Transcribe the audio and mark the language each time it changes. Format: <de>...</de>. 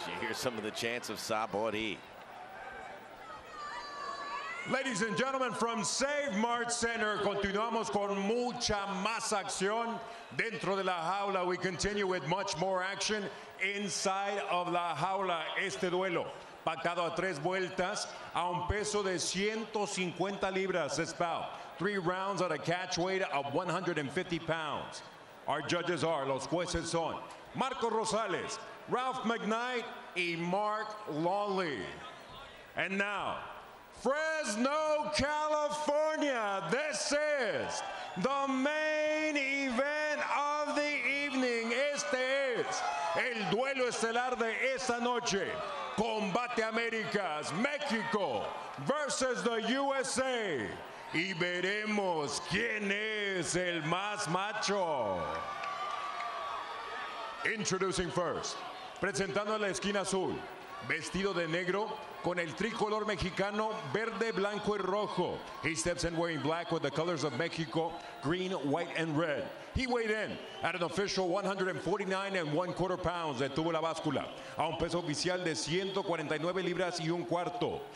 <en>As you hear some of the chants of Sabori. Ladies and gentlemen, from</en> <es>Save Mart Center, continuamos con mucha más acción dentro de la jaula.</es> <en>We continue with much more action inside of la jaula.</en> <es>Este duelo, pactado a tres vueltas, a un peso de 150 libras.</es> <en>This bout, three rounds at a catch weight of 150 pounds. Our judges are,</en> <es>los jueces son,</es> <en>Marco Rosales, Ralph McKnight, and Mark Lawley. And now, Fresno, California, this is the main event of the evening.</en> <es>Este es el duelo estelar de esta noche.</es> <en>Combate Americas, México versus the USA.</en> <es>Y veremos quién es el más macho.</es> <en>Introducing first,</en> <es>presentando a la esquina azul, vestido de negro, con el tricolor mexicano, verde, blanco y rojo.</es> <en>He steps in wearing black with the colors of Mexico, green, white, and red. He weighed in at an official 149 and one quarter pounds.</en> <es>Detuvo la báscula a un peso oficial de 149 libras y un cuarto.</es>